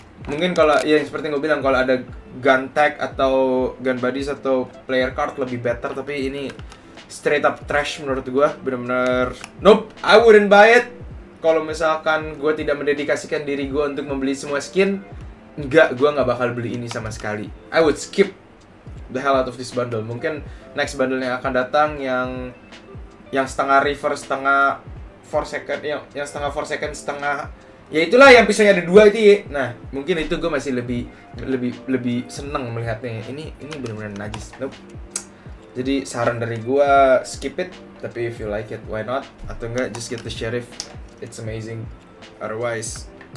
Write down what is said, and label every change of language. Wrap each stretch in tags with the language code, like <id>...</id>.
<id>Mungkin kalau ya seperti yang gue bilang, kalau ada gun tag atau gun buddies atau player card lebih better, tapi ini</id> <en>straight up trash</en> <id>menurut gue. Benar-benar</id> <en>nope, I wouldn't buy it.</en> <id>Kalau misalkan gue tidak mendedikasikan diri gue untuk membeli semua skin, enggak, gue nggak bakal beli ini sama sekali.</id> <en>I would skip the hell out of this bundle.</en> <id>Mungkin next bundle yang akan datang yang setengah river, setengah forsaken, yang setengah forsaken, setengah, ya itulah yang pisaunya ada dua itu ya. Nah, mungkin itu gue masih lebih seneng melihatnya. Ini benar-benar najis.</id> <en>Nope.</en> <id>Jadi saran dari gue,</id> <en>skip it.</en> <id>Tapi</id> <en>if you like it, why not?</en> <id>Atau enggak,</id> <en>just get the Sheriff. It's amazing. Otherwise,</en>